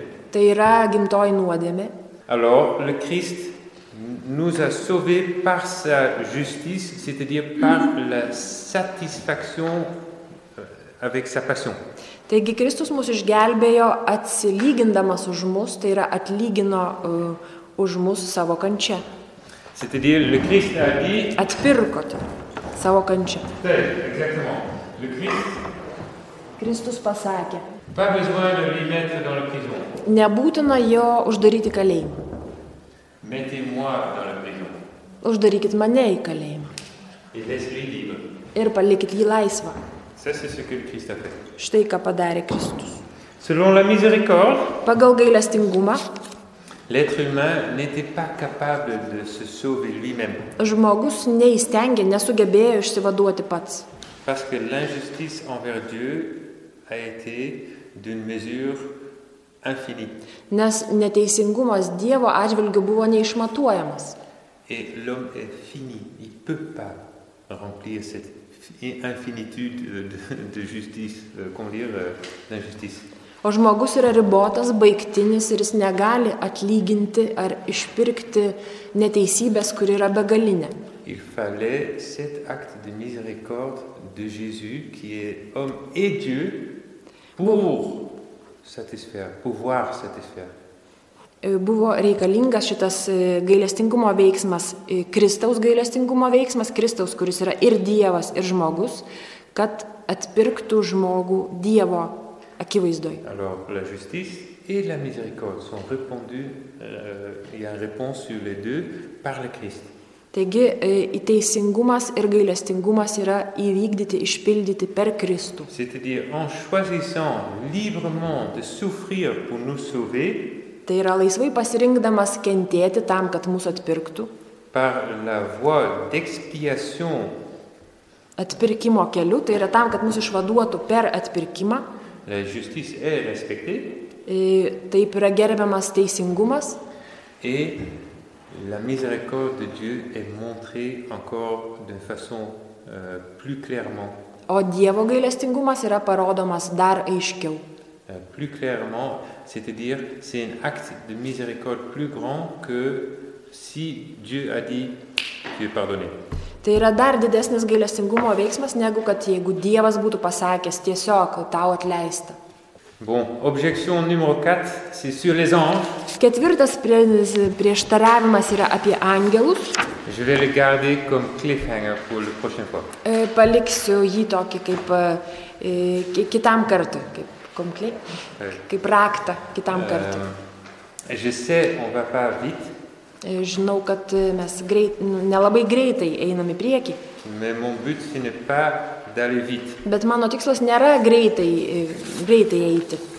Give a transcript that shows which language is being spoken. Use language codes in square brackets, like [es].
[lt] Tai yra gimtoji nuodėmė. [fr] Alors, le Christ nous a sauvés par sa justice, c'est-à-dire par la satisfaction avec sa passion. [lt] Taigi Kristus mus išgelbėjo atsilygindamas už mus, tai yra atlygino už mus savo kančią. [fr] C'est-à-dire le Christ a dit [lt] atpirkote savo kančią. [fr] Exactement. Le Christ. [lt] Kristus pasakė. [fr] Pas besoin de lui mettre dans la prison. [lt] Nebūtina jo uždaryti kalėjimą. [fr] Mettez-moi dans la prison. [lt] Uždarykit mane į kalėjimą. [fr] Et laissez-le libre. [lt] Ir palikit jį laisvą. [fr] C'est ce que le Christ a fait. [lt] Štai ką padarė Kristus. [fr] Selon la miséricorde. [lt] Pagal gailestingumą. [fr] L'être humain n'était pas capable de se sauver lui-même. [lt] Žmogus neįstengė, nesugebėjo išsivaduoti pats. [fr] Parce que l'injustice envers Dieu a été d'une mesure infinie. [lt] Nes neteisingumas Dievo atžvilgiu buvo neišmatuojamas. [fr] Et l'homme est fini, il peut pas remplir cette infinitude de justice, comment dire, d'injustice. [lt] O žmogus yra ribotas, baigtinis ir jis negali atlyginti ar išpirkti neteisybės, kuri yra begalinė. [fr] Il fallait cet acte de miséricorde de Jésus qui est homme et Dieu pour satisfaire, pouvoir satisfaire. [lt] Buvo reikalingas šitas gailestingumo veiksmas, Kristaus gailestingumo veiksmas, Kristaus, kuris yra ir Dievas, ir žmogus, kad atpirktų žmogų Dievo akivaizdoj. [fr] Alors la justice et la miséricorde sont répondues il y a une réponse sur les deux par le Christ. [lt] Taigi, teisingumas ir gailestingumas yra įvykdyti, išpildyti per Kristų. [fr] C'est-à-dire en choisissant librement de souffrir pour nous sauver. [lt] Tai yra laisvai pasirinkdamas kentėti tam, kad mus atpirktų. [fr] Par la voie d'expiation [lt] atpirkimo keliu, tai yra tam, kad mus išvaduotų per atpirkimą. [fr] La justice est respectée. [lt] Taip yra gerbiamas teisingumas. [fr] Et la miséricorde de Dieu est montrée encore d'une façon plus clairement. [lt] O Dievo gailestingumas yra parodomas dar aiškiau. [fr] Plus clairement, c'est-à-dire c'est un acte de miséricorde plus grand que si Dieu a dit tu es pardonné. [lt] Tai yra dar didesnis gailestingumo veiksmas, negu kad jeigu Dievas būtų pasakęs tiesiog tau atleista. [fr] Bon, objection numéro 4, c'est sur les anges. [lt] Ketvirtas prieštaravimas yra apie angelus. [fr] Je vais le garder comme cliffhanger pour la prochaine fois. [lt] Paliksiu jį tokį kaip kitam kartui, kaip raktą kitam kartui. [fr] Je sais, on va pas vite. [lt] Žinau, kad mes nelabai greitai einam į priekį. [fr] Mais mon but, ce n'est pas d'aller vite. [lt] Bet mano tikslas nėra greitai eiti.